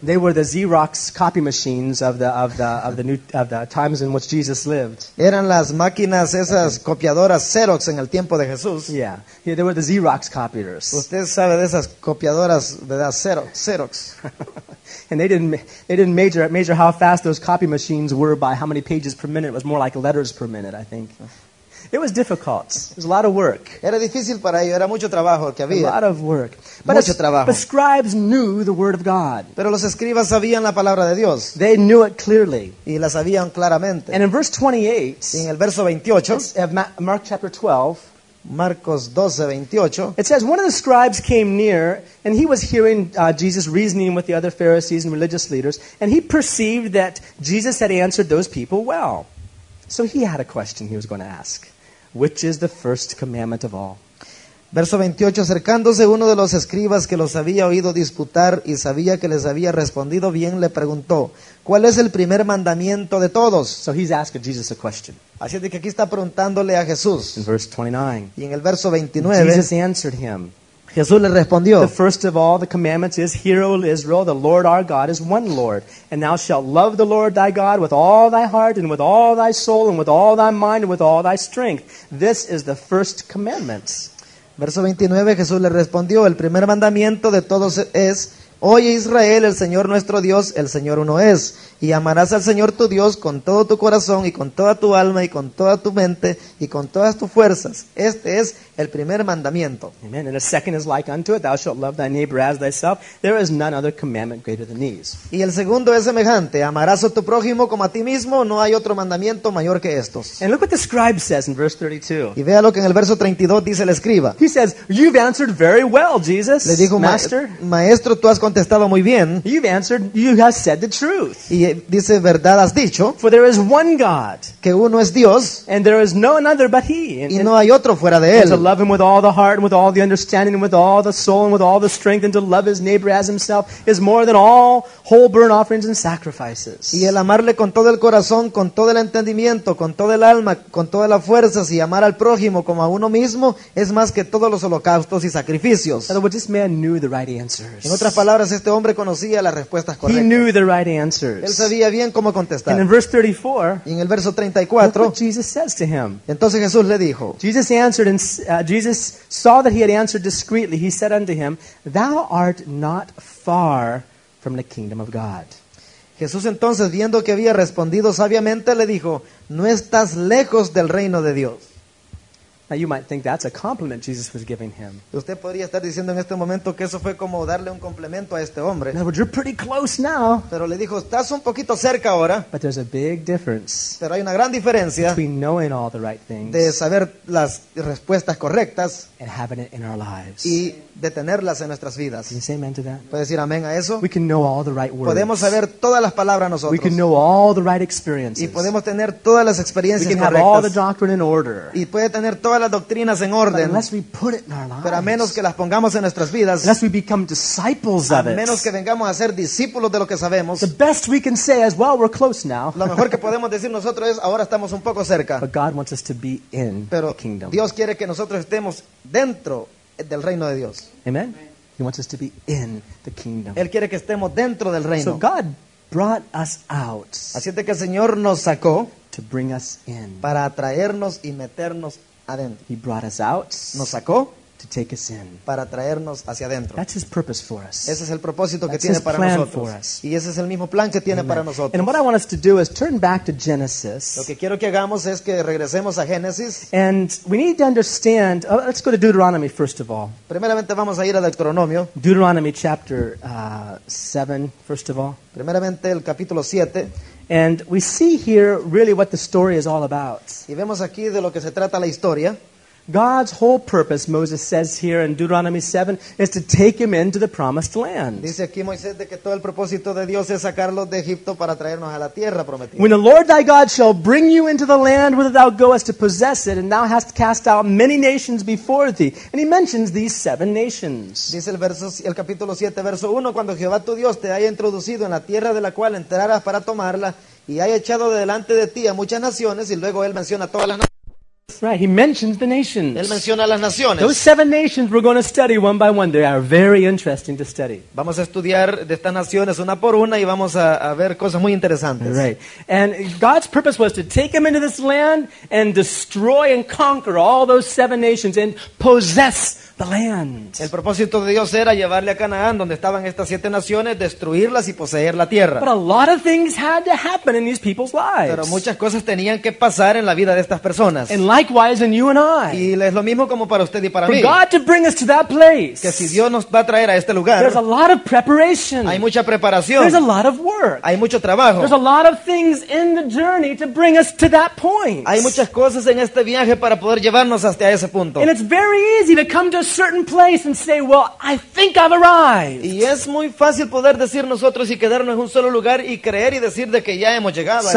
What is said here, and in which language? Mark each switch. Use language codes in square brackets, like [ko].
[en] They were the Xerox copy machines of the times in which Jesus lived. [es] Eran las máquinas esas copiadoras Xerox en el tiempo de Jesús. [en] Yeah, they were the Xerox copiers. [es] ¿Ustedes saben de esas copiadoras de Xerox? [en] And they didn't measure how fast those copy machines were by how many pages per minute. It was more like letters per minute, I think. It was difficult. It was a lot of work. [es] Era difícil para ellos. Era mucho trabajo que había. [en] A lot of work. [es] Mucho trabajo. [en] But the scribes knew the word of God. [es] Pero los escribas sabían la palabra de Dios. [en] They knew it clearly. [es] Y la sabían claramente. [en] And in verse 28, [es] y en el verso 28, [en] Mark chapter 12, [es] Marcos 12, 28, [en] it says, one of the scribes came near, and he was hearing Jesus reasoning with the other Pharisees and religious leaders, and he perceived that Jesus had answered those people well. So he had a question he was going to ask. Which is the first commandment of all? [es] Verso 28, acercándose uno de los escribas que los había oído disputar y sabía que les había respondido bien, le preguntó, ¿cuál es el primer mandamiento de todos? [en] So he's asking Jesus a question. [es] Así es de que aquí está preguntándole a Jesús. [en] In verse 29. [es] Y en el verso 29, [en] Jesus answered him. [es] Jesús le respondió, [en] the first of all the commandments is, Hear, O Israel, the Lord our God is one Lord. And thou shalt love the Lord thy God with all thy heart, and with all thy soul, and with all thy mind, and with all thy strength. This is the first commandment. [es] Verso 29, Jesús le respondió, el primer mandamiento de todos es, Oye Israel, el Señor nuestro Dios, el Señor uno es. Y amarás al Señor tu Dios con todo tu corazón, y con toda tu alma, y con toda tu mente, y con todas tus fuerzas. Este es el primer mandamiento. [en] Amen. And a second is like unto it, thou shalt love thy neighbor as thyself. There is none other commandment greater than these. [es] Y el segundo es semejante, amarás a tu prójimo como a ti mismo, no hay otro mandamiento mayor que estos. [en] And look what the scribe says in verse 32. [es] Y vea lo que en el verso 32 dice el escriba. [en] He says, you've answered very well, Jesus. [es] Le dijo, [en] Master. [es] Maestro, tú has contestado muy bien. [en] You've answered, you have said the truth. [es] Y dice, verdad has dicho. [en] For there is one God. [es] Que uno es Dios. [en] And there is no another but he. [es] Y no hay otro fuera de él. [en] Love him with all the heart and with all the understanding and with all the soul and with all the strength and to love his neighbor as himself is more than all whole burnt offerings and sacrifices. [es] Y el amarle con todo el corazón, con todo el entendimiento, con todo el alma, con todas las fuerzas y amar al prójimo como a uno mismo es más que todos los holocaustos y sacrificios. [en] In other words, this man knew the right answers. [es] En otras palabras, este hombre conocía las respuestas correctas. [en] He knew the right answers. [es] Él sabía bien cómo contestar. [en] And in verse 34, [es] y en el verso 34, [en] look what Jesus says to him. [es] Entonces Jesús le dijo, [en] Jesus answered and Jesus saw that he had answered discreetly. He said unto him, Thou art not far from the kingdom of God. [es] Jesús entonces, viendo que había respondido sabiamente, le dijo, No estás lejos del reino de Dios. [en] Now you might think that's a compliment Jesus was giving him. [es] Usted podría estar diciendo en este momento que eso fue como darle un complemento a este hombre. [en] No, but you're pretty close now. [es] Pero le dijo, estás un poquito cerca ahora. [en] But there's a big difference. [es] Pero hay una gran diferencia. [en] Between knowing all the right things. [es] De saber las respuestas correctas. [en] And having it in our lives. [es] Y de tenerlas en nuestras vidas. [en] Can you say amen to that? [es] ¿Puedes decir amén a eso? [en] We can know all the right words. [es] Podemos saber todas las palabras nosotros. [en] We can know all the right experiences. [es] Y podemos tener todas las experiencias correctas. [en] We can have all the doctrine in order. [es] Y puede tener todas las doctrinas en orden, pero a menos que las pongamos en nuestras vidas, [en] unless we become disciples of it, [es] a menos que vengamos a ser discípulos de lo que sabemos, [en] the best we can say is, well, we're close now. [es] Lo mejor que podemos decir nosotros es, ahora estamos un poco cerca. [en] But God wants us to be in [es] pero [en] the kingdom. [es] Dios quiere que nosotros estemos dentro del reino de Dios. [en] Amen. He wants us to be in the kingdom. [es] Él quiere que estemos dentro del reino. [en] So God brought us out. [es] Así es que el Señor nos sacó [en] to bring us in. [es] Para atraernos y meternos. [en] He brought us out. [es] Nos sacó [en] to take us in. [es] Para traernos hacia adentro. [en] That's his purpose for us. [es] Ese es el propósito que tiene para nosotros. [en] That's his plan for us. [es] Y ese es el mismo plan que tiene para nosotros. [en] And what I want us to do is turn back to Genesis. [es] Lo que quiero que hagamos es que regresemos a Génesis. [en] And we need to understand. Let's go to Deuteronomy first of all. [es] Primeramente vamos a ir a Deuteronomio. [en] Deuteronomy chapter 7, first of all. [es] Primeramente el capítulo 7. [en] And we see here really what the story is all about. [es] Y vemos aquí de lo que se trata la historia. [en] God's whole purpose, Moses says here in Deuteronomy 7, is to take him into the promised land. [es] Dice aquí Moisés de que todo el propósito de Dios es sacarlo de Egipto para traernos a la tierra prometida. [en] When the Lord thy God shall bring you into the land whither thou goest to possess it, and thou hast cast out many nations before thee. And he mentions these seven nations. [es] Dice el capítulo 7, verso 1, cuando Jehová tu Dios te haya introducido en la tierra de la cual entrarás para tomarla, y haya echado delante de ti a muchas naciones, y luego él menciona todas las naciones. [en] Right, he mentions the nations. [es] Él menciona las naciones. [en] Those seven nations we're going to study one by one. They are very interesting to study. [es] Vamos a estudiar de estas naciones una por una y vamos a ver cosas muy interesantes. [en] Right. And God's purpose was to take him into this land and destroy and conquer all those seven nations and possess the land. [es] El propósito de Dios era llevarle a Canaán, donde estaban estas siete naciones, destruirlas y poseer la tierra. [en] But a lot of things had to happen in these people's lives. [es] Pero muchas cosas tenían que pasar en la vida de estas personas. [en] And likewise in you and I. [es] Y es lo mismo como para usted y para [en] For [es] mí. [en] For God to bring us to that place. [es] Que si Dios nos va a traer a este lugar. [en] There's a lot of preparation. [es] Hay mucha preparación. [en] There's a lot of work. [es] Hay mucho trabajo. [en] There's a lot of things in the journey to bring us to that point. [es] Hay muchas cosas en este viaje para poder llevarnos hasta ese punto. [en] And it's very easy to come to certain place and say, well, I think I've arrived. [es] Y es muy fácil poder decir nosotros y quedarnos en un solo lugar y creer y decir de que ya hemos llegado a ese